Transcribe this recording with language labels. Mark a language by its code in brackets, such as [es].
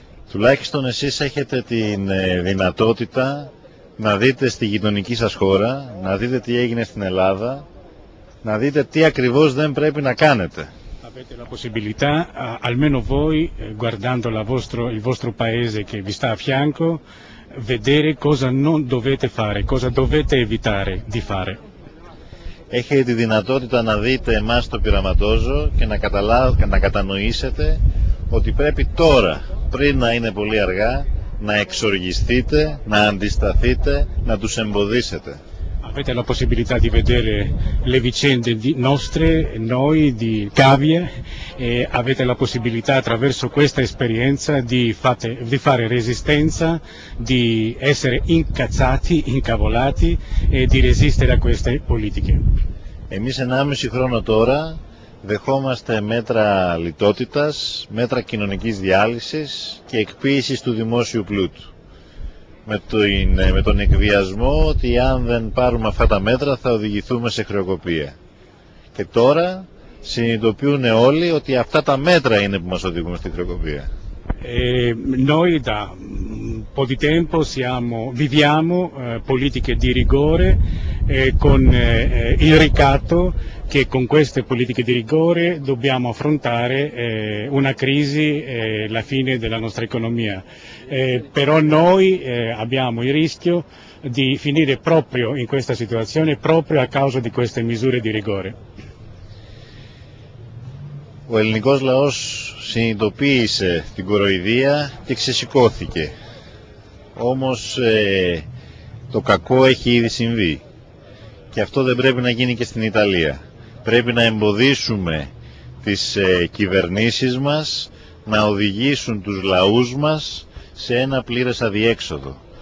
[el] Τουλάχιστον εσείς έχετε την δυνατότητα να δείτε στη γειτονική σας χώρα, να δείτε τι έγινε στην Ελλάδα, να δείτε τι ακριβώς δεν πρέπει να κάνετε. [it] Avete la possibilità, almeno voi, guardando il vostro paese che vi sta a fianco, vedere cosa non dovete fare, cosa dovete evitare di fare. [el] Έχετε τη δυνατότητα να δείτε εμάς το πειραματόζω και να κατανοήσετε ότι πρέπει τώρα, πριν να είναι πολύ αργά, να εξοργιστείτε, να αντισταθείτε, να τους εμποδίσετε. [it] Avete la possibilità di vedere le vicende nostre, noi, di Cavie, e avete la possibilità attraverso questa esperienza di fare resistenza, di essere incazzati, incavolati e di resistere a queste politiche. [el] Εμείς 1,5 χρόνο τώρα δεχόμαστε μέτρα λιτότητας, μέτρα κοινωνικής διάλυσης και εκποίησης του δημόσιου πλούτου. Με τον εκβιασμό ότι αν δεν πάρουμε αυτά τα μέτρα θα οδηγηθούμε σε χρεοκοπία. Και τώρα συνειδητοποιούν όλοι ότι αυτά τα μέτρα είναι που μας οδηγούν στη χρεοκοπία. [it] Noi da po' di tempo viviamo politiche di rigore con il ricatto che con queste politiche di rigore dobbiamo affrontare una crisi e la fine della nostra economia. Però noi abbiamo il rischio di finire proprio in questa situazione proprio a causa di queste misure di rigore. [el] ο ελληνικός λαός συνειδητοποίησε την κοροϊδία και ξεσηκώθηκε. Όμως το κακό έχει ήδη συμβεί. Και αυτό δεν πρέπει να γίνει και στην Ιταλία. Πρέπει να εμποδίσουμε τις κυβερνήσεις μας να οδηγήσουν τους λαούς μας σε ένα πλήρες αδιέξοδο.